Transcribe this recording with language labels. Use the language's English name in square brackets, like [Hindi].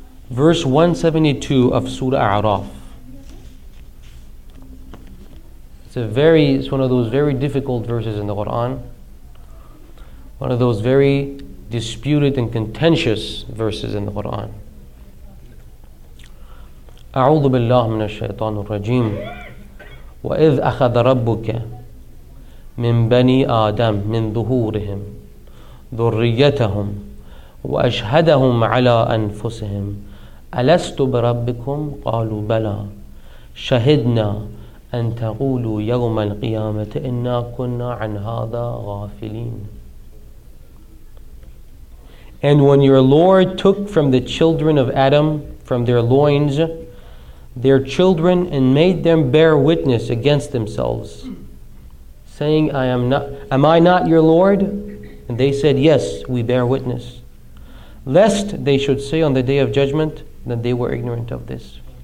[English] Verse 172 of Surah A'raf. It's one of those very difficult verses in the Quran. One of those very disputed and contentious verses in the Quran. [Arabic] أعوذ بالله من الشيطان الرجيم وإذ أخذ ربك من بني آدم من ظهورهم ذريتهم وأشهدهم على أنفسهم ألست بربكم قالوا بلى شهدنا أن تقولوا يوم القيامة إنا كنا عن هذا غافلين. [English] And when your Lord took from the children of Adam, from their loins, their children, and made them bear witness against themselves, saying, Am I not your Lord? And they said, Yes, we bear witness. Lest they should say on the day of judgment that they were ignorant of this.